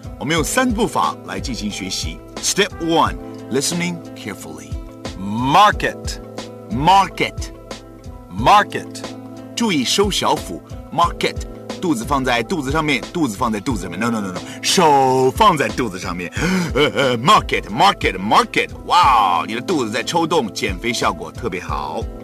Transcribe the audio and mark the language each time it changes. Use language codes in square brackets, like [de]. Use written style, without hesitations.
[zh] 我们用三步法来进行学习。 [en] Step one, listening carefully. Market. [zh] 注意收小腹 market. 肚子放在肚子上面，肚子放在肚子上面。 No. 手放在肚子上面。Market. Wow, 你的肚子在抽动，减肥效果特别好。